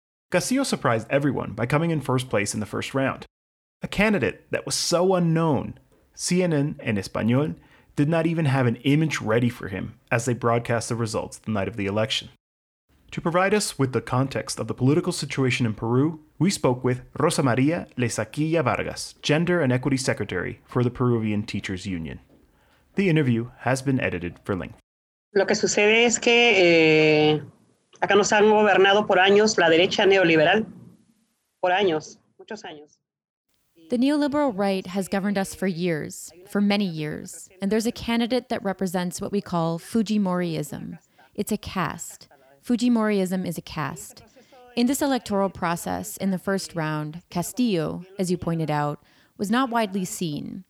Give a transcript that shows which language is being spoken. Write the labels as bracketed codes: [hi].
[en] Castillo surprised everyone by coming in first place in the first round, a candidate that was so unknown, CNN and Español did not even have an image ready for him as they broadcast the results the night of the election. To provide us with the context of the political situation in Peru, we spoke with Rosa María Lezaquilla Vargas, Gender and Equity Secretary for the Peruvian Teachers Union. The interview has been edited for length. [es] Lo que sucede es que acá nos han gobernado por años la derecha neoliberal. Por años, muchos años. [en] The neoliberal right has governed us for years, for many years, and there's a candidate that represents what we call Fujimoriism. It's a caste. Fujimoriism is a caste. In this electoral process, in the first round, Castillo, as you pointed out, was not widely seen.